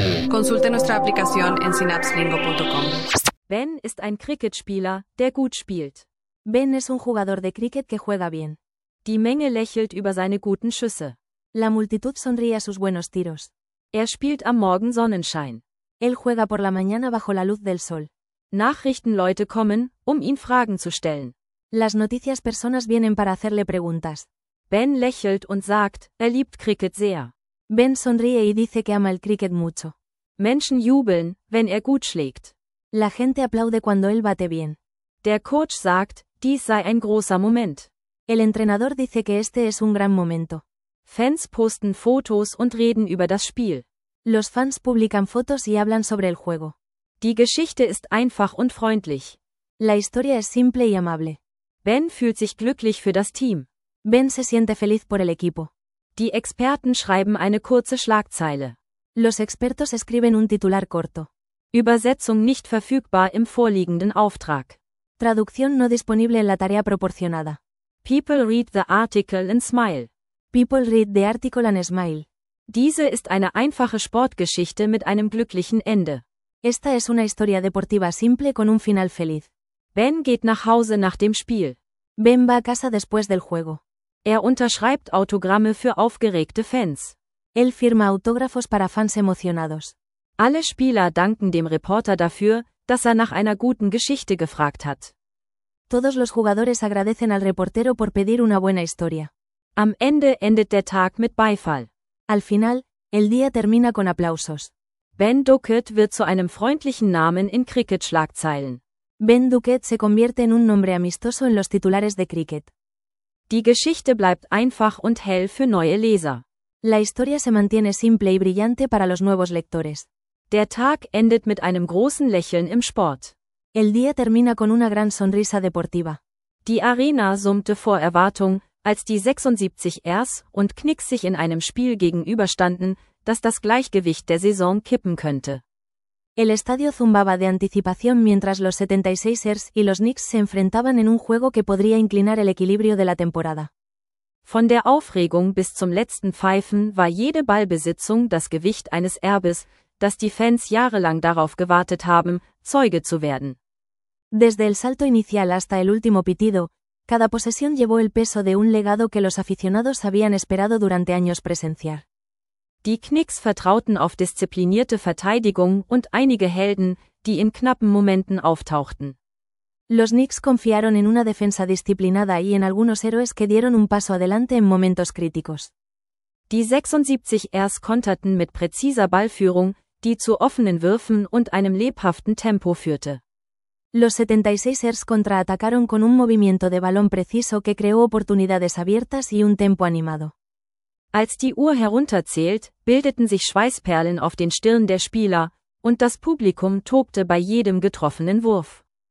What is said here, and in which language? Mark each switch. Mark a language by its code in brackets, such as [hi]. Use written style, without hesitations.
[es] Consulte nuestra aplicación en synapselingo.com. [de] Ben ist ein Cricketspieler, der gut spielt. [es] Ben es un jugador de cricket que juega bien. [de] Die Menge lächelt über seine guten Schüsse. [es] La multitud sonríe a sus buenos tiros. [de] Er spielt am Morgen Sonnenschein. [es] Él juega por la mañana bajo la luz del sol. [de] Nachrichtenleute kommen, um ihn Fragen zu stellen. [es] Las noticias personas vienen para hacerle preguntas. [de] Ben lächelt und sagt, er liebt Cricket sehr. [es] Ben sonríe y dice que ama el cricket mucho. [de] Menschen jubeln, wenn er gut schlägt. [es] La gente aplaude cuando él bate bien. [de] Der Coach sagt, dies sei ein großer Moment. [es] El entrenador dice que este es un gran momento. [de] Fans posten Fotos und reden über das Spiel. [es] Los fans publican fotos y hablan sobre el juego. [de] Die Geschichte ist einfach und freundlich. [es] La historia es simple y amable. [de] Ben fühlt sich glücklich für das Team. [es] Ben se siente feliz por el equipo. [de] Die Experten schreiben eine kurze Schlagzeile. [es] Los expertos escriben un titular corto. [de] Übersetzung nicht verfügbar im vorliegenden Auftrag. [es] Traducción no disponible en la tarea proporcionada. [en] People read the article and smile. People read the article and smile. [de] Diese ist eine einfache Sportgeschichte mit einem glücklichen Ende. [es] Esta es una historia deportiva simple con un final feliz. [de] Ben geht nach Hause nach dem Spiel. [es] Ben va a casa después del juego. [de] Er unterschreibt Autogramme für aufgeregte Fans. [es] Él firma autógrafos para fans emocionados. [de] Alle Spieler danken dem Reporter dafür, dass er nach einer guten Geschichte gefragt hat. [es] Todos los jugadores agradecen al reportero por pedir una buena historia. [de] Am Ende endet der Tag mit Beifall. [es] Al final, el día termina con aplausos. [de] Ben Duckett wird zu einem freundlichen Namen in Cricket-Schlagzeilen. [es] Ben Duckett se convierte en un nombre amistoso en los titulares de cricket. [de] Die Geschichte bleibt einfach und hell für neue Leser. [es] La historia se mantiene simple y brillante para los nuevos lectores. [de] Der Tag endet mit einem großen Lächeln im Sport. [es] El día termina con una gran sonrisa deportiva. [de] Die Arena summte vor Erwartung, als die 76 Ers und Knicks sich in einem Spiel gegenüberstanden, dass das Gleichgewicht der Saison kippen könnte. [es] El estadio zumbaba de anticipación mientras los 76ers y los Knicks se enfrentaban en un juego que podría inclinar el equilibrio de la temporada. [de] Von der Aufregung bis zum letzten Pfeifen war jede Ballbesitzung das Gewicht eines Erbes, das die Fans jahrelang darauf gewartet haben, Zeuge zu werden. [es] Desde el salto inicial hasta el último pitido, cada posesión llevó el peso de un legado que los aficionados habían esperado durante años presenciar. [de] Die Knicks vertrauten auf disziplinierte Verteidigung und einige Helden, die in knappen Momenten auftauchten. [es] Los Knicks confiaron en una defensa disciplinada y en algunos héroes que dieron un paso adelante en momentos críticos. [de] Die 76ers konterten mit präziser Ballführung, die zu offenen Würfen und einem lebhaften Tempo führte. [es] Los 76ers contraatacaron con un movimiento de balón preciso que creó oportunidades abiertas y un tempo animado. [de] Als die Uhr herunterzählt, bildeten sich Schweißperlen auf den Stirn der Spieler, und das Publikum tobte bei jedem getroffenen Wurf.